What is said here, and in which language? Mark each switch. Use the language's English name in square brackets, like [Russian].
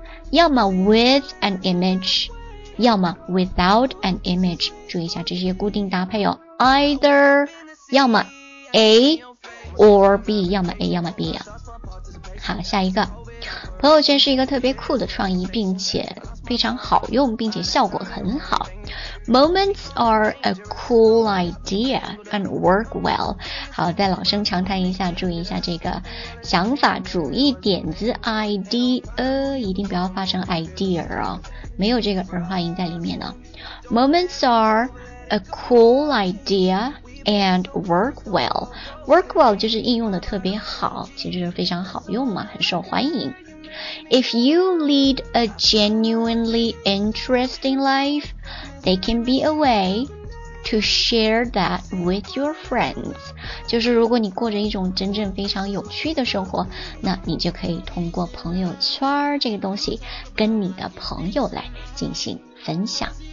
[Chinese] 要么 [English] with an image， [Chinese] 要么 [English] without an image， [Chinese] 注意一下这些固定搭配哦， either 要么 A or B， 要么 A 要么 B 啊。好，下一个，朋友圈是一个特别酷的创意，并且非常好用，并且效果很好。 [English] Moments are a cool idea and work well. [Chinese] 好，再老生常谈一下，注意一下这个想法、主意、点子 idea， 一定不要发成 idea 哦，没有这个儿化音在里面呢。 [English] Moments are a cool idea and work well. Work well [Chinese] 就是应用的特别好，其实就是非常好用嘛，很受欢迎。 [English] If you lead a genuinely interesting life, they can be a way to share that with your friends. [Chinese] 就是如果你过着一种真正非常有趣的生活，那你就可以通过朋友圈这个东西跟你的朋友来进行分享。